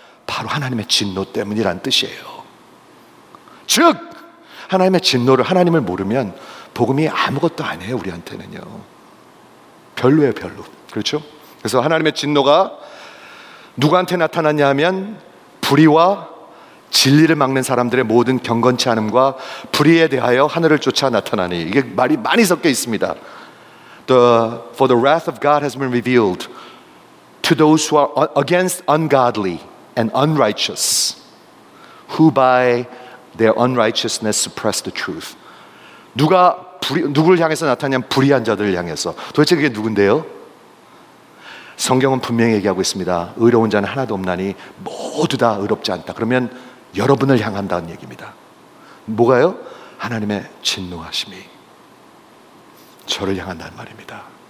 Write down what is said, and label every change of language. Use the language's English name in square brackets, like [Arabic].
[Korean] 바로 하나님의 진노 때문이란 뜻이에요. 즉, 하나님의 진노를, 하나님을 모르면 복음이 아무것도 아니에요, 우리한테는요. 별로예요, 별로. 그렇죠? 그래서 하나님의 진노가 누구한테 나타났냐 하면 불의와 진리를 막는 사람들의 모든 경건치 않음과 불의에 대하여 하늘을 쫓아 나타나니. 이게 말이 많이 섞여 있습니다. [English] For the wrath of God has been revealed to those who are against ungodly and unrighteous, who by their unrighteousness suppress the truth. [Korean] 누가 누구를 향해서 나타나냐면 불의한 자들을 향해서. 도대체 그게 누군데요? 성경은 분명히 얘기하고 있습니다. 의로운 자는 하나도 없나니 모두 다 의롭지 않다. 그러면 여러분을 향한다는 얘기입니다. 뭐가요? 하나님의 진노하심이 저를 향한다는 말입니다.